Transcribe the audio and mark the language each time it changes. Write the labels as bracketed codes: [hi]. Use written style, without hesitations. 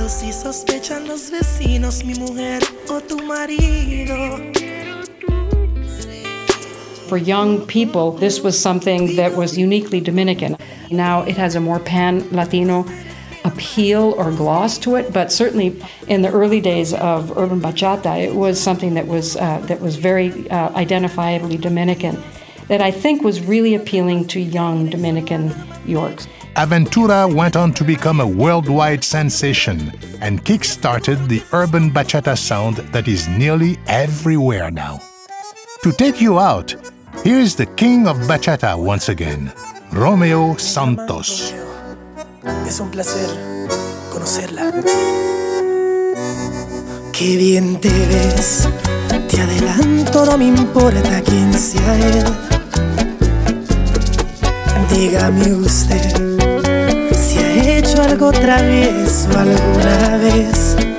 [es] Sospechan los vecinos, mi mujer o tu marido. [en] For young people, this was something that was uniquely Dominican. Now it has a more pan-Latino appeal or gloss to it, but certainly in the early days of urban bachata, it was something that was very identifiably Dominican, that I think was really appealing to young Dominican Yorks. Aventura went on to become a worldwide sensation and kick-started the urban bachata sound that is nearly everywhere now. To take you out, here's the king of bachata once again, Romeo Santos. [es] Es un placer conocerla. Qué bien te ves, te adelanto, no me importa quién sea él. dígame usted si ha hecho algo travieso alguna vez.